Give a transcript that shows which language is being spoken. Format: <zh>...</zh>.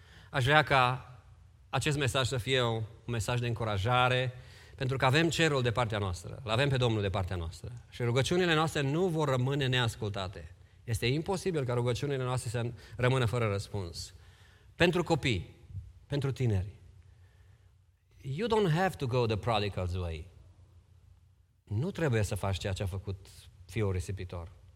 <ro>Aș vrea ca acest mesaj să fie un mesaj de încurajare, Pentru că avem cerul de partea noastră, l-avem pe Domnul de partea noastră. Și rugăciunile noastre nu vor rămâne neascultate. Este imposibil ca rugăciunile noastre să rămână fără răspuns. Pentru copii, pentru tineri.</ro> <en>You don't have to go the prodigal's way.</en> <ro>Nu trebuie să faci ceea ce a făcut fiul risipitor.</ro>